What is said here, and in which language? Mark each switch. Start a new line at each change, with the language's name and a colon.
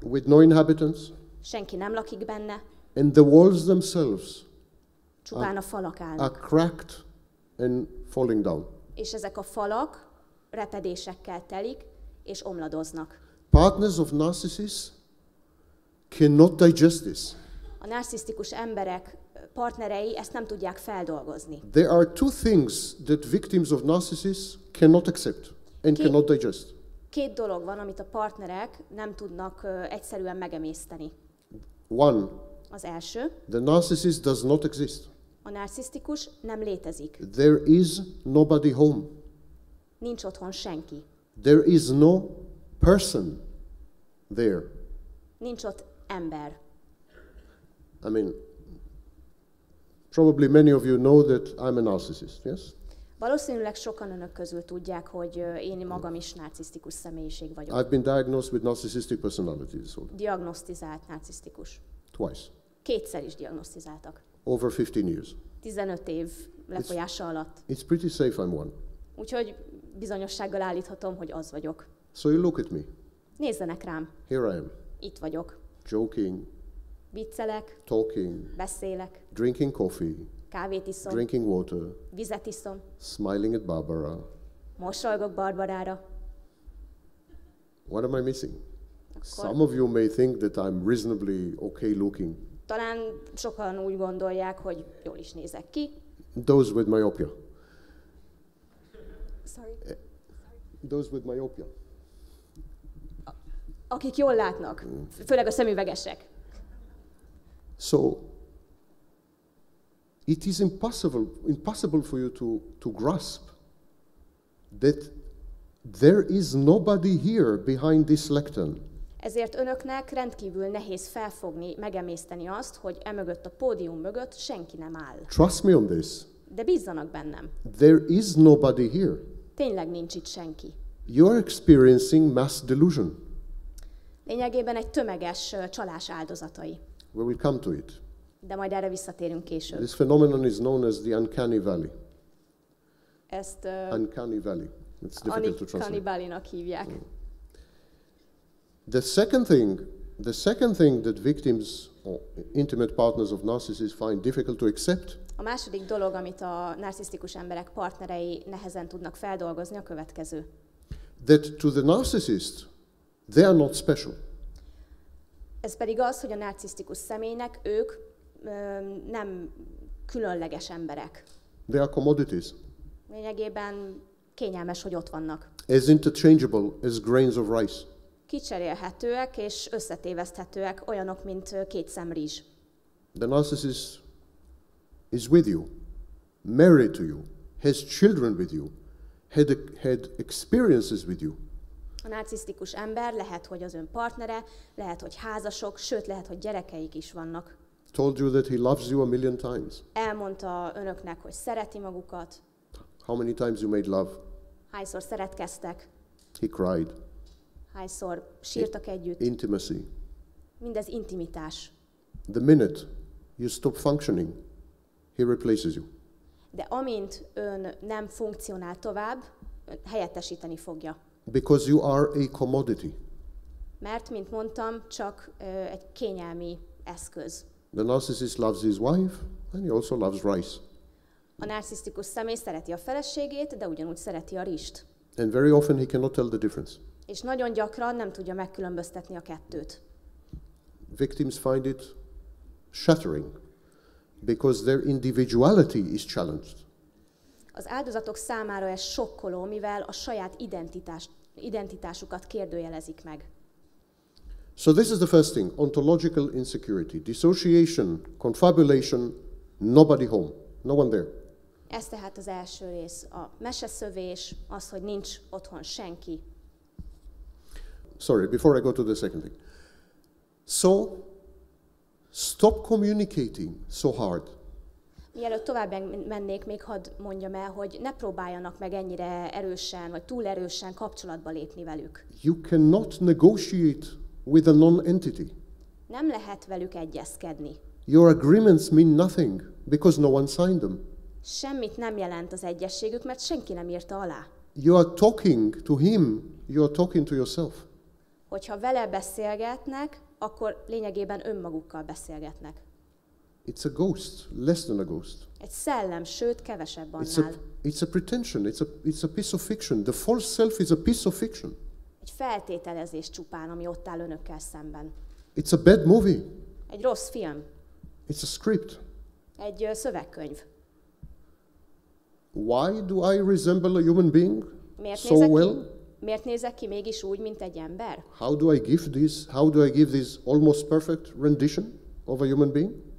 English: With no inhabitants.
Hungarian: Senki nem lakik benne.
English: And the walls themselves.
Hungarian: Csupán a falak állnak.
English: Are cracked and falling down.
Hungarian: És ezek a falak repedésekkel telik és omladoznak.
English: Partners of narcissists cannot digest this.
Hungarian: A narcisztikus emberek partnerei ezt nem tudják feldolgozni.
English: There are two things that victims of narcissists cannot accept and cannot digest.
Hungarian: Két dolog van, amit a partnerek nem tudnak egyszerűen megemészteni.
English: One.
Hungarian: Az első.
English: The narcissist does not exist.
Hungarian: A narcisztikus nem létezik.
English: There is nobody home.
Hungarian: Nincs otthon senki.
English: There is no person there.
Hungarian: Nincs ott ember.
English: I mean, probably many of you know that I'm a narcissist, yes?
Hungarian: Valószínűleg sokan önök közül tudják, hogy én magam is narcisztikus személyiség vagyok.
English: I've been diagnosed with narcissistic personality disorder.
Hungarian: Diagnosztizált narcisztikus.
English: Twice.
Hungarian: Kétszer is diagnosztizáltak.
English: Over 15 years.
Hungarian: 15 év lefolyása alatt.
English: It's pretty safe I'm one.
Hungarian: Úgyhogy bizonyossággal állíthatom, hogy az vagyok.
English: So you look at me.
Hungarian: Nézzenek rám.
English: Here I am.
Hungarian: Itt vagyok.
English: Joking.
Hungarian: Viccelek.
English: Talking.
Hungarian: Beszélek.
English: Drinking coffee.
Hungarian: Kávét iszom.
English: Drinking water.
Hungarian: Vizet iszom.
English: Smiling at Barbara.
Hungarian: Mosolygok Barbarára.
English: What am I missing? Some of you may think that I'm reasonably okay looking.
Hungarian: Talán sokan úgy gondolják, hogy jól is nézek ki.
English: Those with myopia. Sorry. Those with myopia.
Hungarian: Akik jól látnak, főleg a szemüvegesek.
English: So, it is impossible for you to grasp that there is nobody here behind this lectern.
Hungarian: Ezért önöknek rendkívül nehéz felfogni, megemészteni azt, hogy emögött a pódium mögött senki nem áll.
English: Trust me on this.
Hungarian: De bízzanak bennem.
English: There is nobody here.
Hungarian: Tényleg nincs itt senki.
English: You are experiencing mass delusion.
Hungarian: Lényegében egy tömeges csalás áldozatai.
English: We will come to it.
Hungarian: De majd erre visszatérünk később.
English: This phenomenon is known as the uncanny valley.
Hungarian: Ezt
English: uncanny valley. It's difficult to translate.
Hungarian: Uncanny valley-nak hívják.
English: The second thing that victims or intimate partners of narcissists find difficult to accept.
Hungarian: A második dolog, amit a narcisztikus emberek partnerei nehezen tudnak feldolgozni, a következő.
English: That to the narcissist, they are not special.
Hungarian: Ez pedig az, hogy a narcisztikus személynek ők nem különleges emberek.
English: They are commodities.
Hungarian: Lényegében kényelmes, hogy ott vannak.
English: As interchangeable as grains of rice.
Hungarian: Kicserélhetőek és összetéveszthetőek, olyanok, mint két szem rizs.
English: The narcissist is with you, married to you, has children with you, had experiences with you.
Hungarian: A narcisztikus ember lehet, hogy az ön partnere, lehet, hogy házasok, sőt, lehet, hogy gyerekeik is vannak.
English: Told you that he loves you a million times.
Hungarian: Elmondta önöknek, hogy szereti magukat.
English: How many times you made love?
Hungarian: Hányszor szeretkeztek?
English: He cried.
Hungarian: Hányszor sírtak együtt?
English: Intimacy.
Hungarian: Mindez intimitás.
English: The minute you stop functioning, he replaces you.
Hungarian: De amint ön nem funkcionál tovább, helyettesíteni fogja.
English: Because you are a commodity.
Hungarian: Mert, mint mondtam, csak egy kényelmi eszköz.
English: The narcissist loves his wife, and he also loves rice.
Hungarian: A narcisztikus személy szereti a feleségét, de ugyanúgy szereti a rizst.
English: And very often he cannot tell the difference.
Hungarian: És nagyon gyakran nem tudja megkülönböztetni a kettőt.
English: Victims find it shattering, because their individuality is challenged.
Hungarian: Az áldozatok számára ez sokkoló, mivel a saját identitásukat kérdőjelezik meg.
English: So this is the first thing, ontological insecurity, dissociation, confabulation, nobody home, no one there.
Hungarian: Ez tehát az első rész, a meseszövés, az, hogy nincs otthon senki.
English: Sorry, before I go to the second thing. So, stop communicating so hard.
Hungarian: Mielőtt tovább mennék, még hadd mondjam el, hogy ne próbáljanak meg ennyire erősen, vagy túl erősen kapcsolatba lépni velük.
English: You cannot negotiate with a non-entity.
Hungarian: Nem lehet velük egyezkedni.
English: Your agreements mean nothing, because no one signed them.
Hungarian: Semmit nem jelent az egyességük, mert senki nem írta alá.
English: You are talking to him, you are talking to yourself.
Hungarian: Hogyha vele beszélgetnek, akkor lényegében önmagukkal beszélgetnek.
English: It's a ghost, less than a ghost.
Hungarian: Egy szellem, sőt, kevesebb annál.
English: It's a pretension, it's a piece of fiction. The false self is a piece of fiction.
Hungarian: Egy feltételezés csupán, ami ott áll önökkel szemben.
English: It's a bad movie.
Hungarian: Egy rossz film.
English: It's a script.
Hungarian: Egy szövegkönyv.
English: Why do I resemble a human being
Hungarian: miért
English: so well?
Hungarian: Miért nézek ki mégis úgy, mint egy ember?
English: How do I give this almost perfect rendition of a human being?